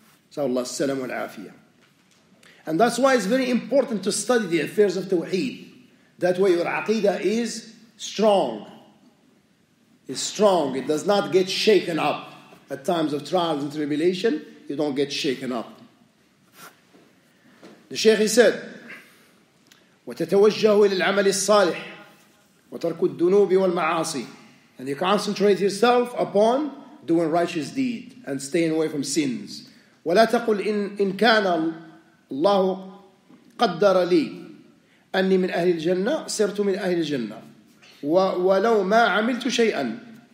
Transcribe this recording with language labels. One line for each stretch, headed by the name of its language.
English: So Allah
Arabic: السلام والعافية.
English: And that's why it's very important to study the affairs of Tawheed. That way your aqidah is strong. It's strong. It does not get shaken up. At times of trials and tribulation, you don't get shaken up. The Shaykh, he said,
Arabic: وَتَتَوَجَّهُ إِلَى الْعَمَلِ الصَّالِحِ وَتَرْكُ الدُّنُوبِ وَالْمَعَاصِي.
English: And you concentrate yourself upon doing righteous deed and staying away from sins.
Arabic: وَلَا تَقُلْ إِنْ كَانَ اللَّهُ قَدَّرَ لِي أَنِّي مِنْ أَهْلِ الْجَنَّةِ سِرْتُ مِنْ أَهْلِ الْجَنَّةِ وَلَوْ مَا عَمِلْتُ شَيْئًا.